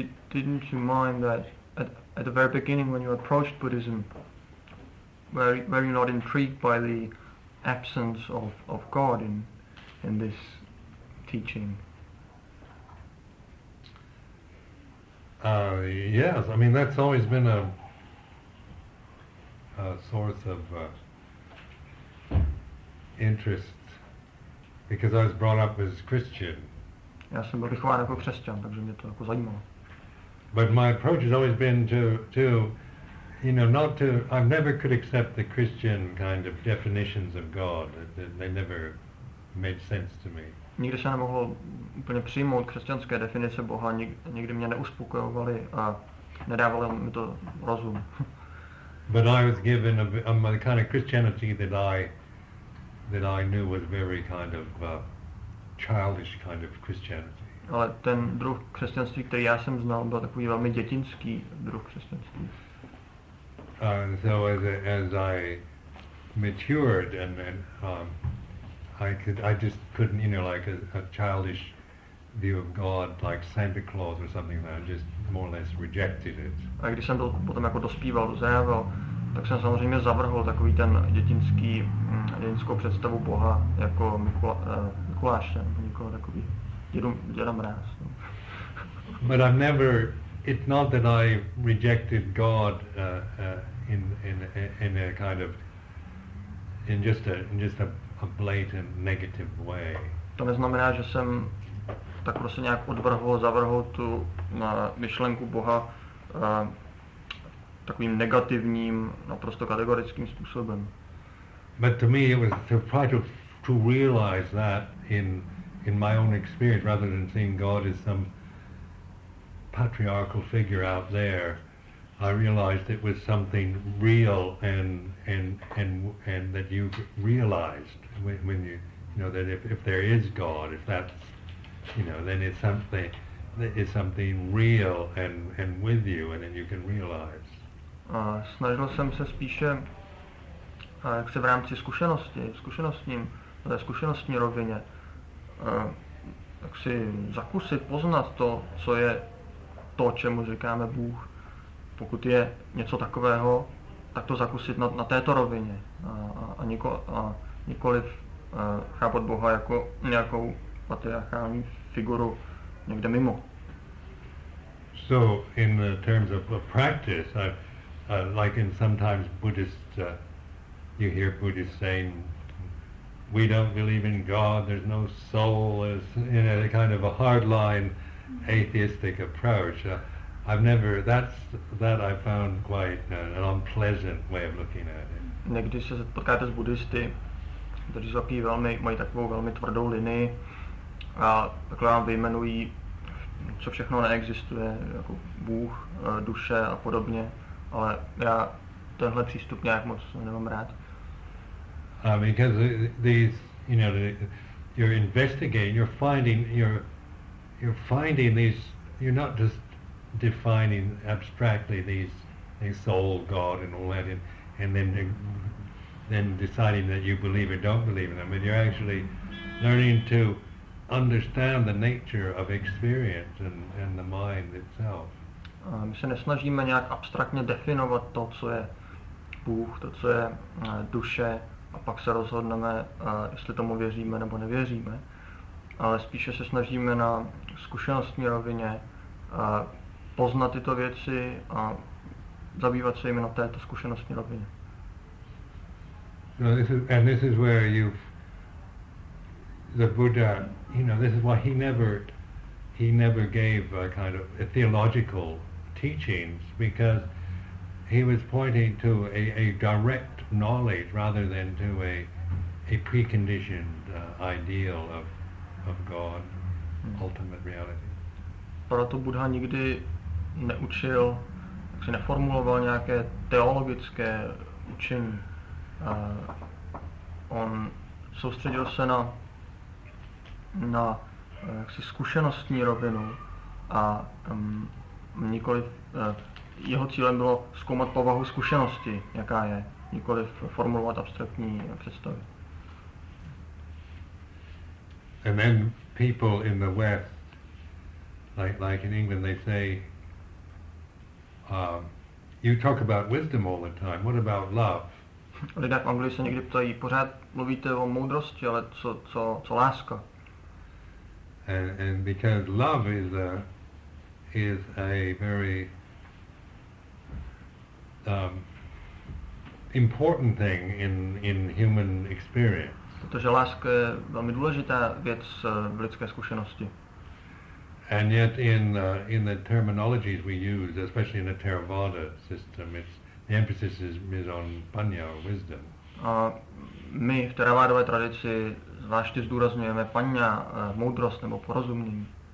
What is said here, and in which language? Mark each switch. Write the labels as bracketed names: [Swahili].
[English] Didn't you mind that at the very beginning when you approached Buddhism, were you not intrigued by the absence of God in this teaching? Yes, I mean that's always been a source of interest, because I was brought up as Christian. [Czech] Já jsem byl vychován jako křesťan, takže mě to jako zajímalo. [English] But my approach has always been to I never could accept the Christian kind of definitions of God. They never made sense to me. [Czech] Nikdy jsem nemohl úplně přijmout křesťanské definice Boha, nikdy mě neuspokojovaly a nedávalo mi to rozum. [English] But I was given a kind of Christianity that I knew was very kind of childish kind of Christianity. [Czech] Ale ten druh křesťanství, který já jsem znal, byl takový velmi dětinský druh křesťanství. [English] So as I matured and I just couldn't, a childish view of God like Santa Claus or something like that, I just more or less rejected it. [Czech] A když jsem to potom jako dospíval, dozrával, tak jsem samozřejmě zavrhl takový ten dětinskou představu Boha jako Mikuláše nebo někoho takový děda mráz. No. [English] But I've never, it's not that I rejected God in a kind of, in just a blatant negative way. [Czech] To neznamená, že jsem tak prostě nějak zavrhl tu myšlenku Boha takovým negativním, naprosto kategorickým způsobem. [English] But to me it was to try to realize that in my own experience rather than seeing God as some patriarchal figure out there, I realized it was something real and that you realized when you that if there is God, if that's then it's something real and with you, and then you can realize. [Czech] Snažil jsem se spíše jak se v rámci zkušenostní rovině tak si zakusit, poznat to, co je to, čemu říkáme Bůh. Pokud je něco takového, tak to zakusit na této rovině a nikoliv chápat Boha jako nějakou patriarchální figuru někde mimo. [English] So in the terms of practice, like in sometimes Buddhists, you hear Buddhists saying, "We don't believe in God. There's no soul." As a kind of a hardline atheistic approach. That I found quite an unpleasant way of looking at it. [Czech] Někdy se potkáte s buddhisty, kteří zapíjí velmi, mají takovou velmi tvrdou linii a takhle vám vyjmenují, co všechno neexistuje, jako Bůh, duše a podobně, ale já tenhle přístup nějak moc nemám rád. [English] Because these, you know, you're investigating, you're finding these, you're not just defining abstractly these, a soul, God and all that, and then deciding that you believe or don't believe in them, but you're actually learning to understand the nature of experience and the mind itself. [Czech] My se nesnažíme nějak abstraktně definovat to, co je Bůh, to, co je duše, a pak se rozhodneme, jestli tomu věříme nebo nevěříme, ale spíše se snažíme na zkušenostní rovině poznat tyto věci a zabývat se jimi na této zkušenostní rovině. [English] So this is, and this is where the Buddha, you know, this is why he never gave a kind of a theological teachings, because he was pointing to a direct knowledge rather than to a preconditioned ideal of God, ultimate reality. [Czech] Proto Buddha nikdy neučil, tak si neformuloval nějaké teologické učení. On soustředil se na jaksi zkušenostní rovinu a nikoliv jeho cílem bylo zkoumat povahu zkušenosti, jaká je, nikoliv formulovat abstraktní představy. [English] And then people in the West, like in England, they say, you talk about wisdom all the time, what about love? [Czech] Lidé v Anglii se někdy ptají, pořád mluvíte o moudrosti, ale co láska? [English] And because love is a very important thing in human experience. [Czech] Protože láska je velmi důležitá věc v lidské zkušenosti. [English] And yet in the terminologies we use, especially in the Theravada system, the emphasis is on paññā, wisdom. [Czech] A my v teravádové tradici zvláště zdůrazňujeme paññā, moudrost nebo porozumění.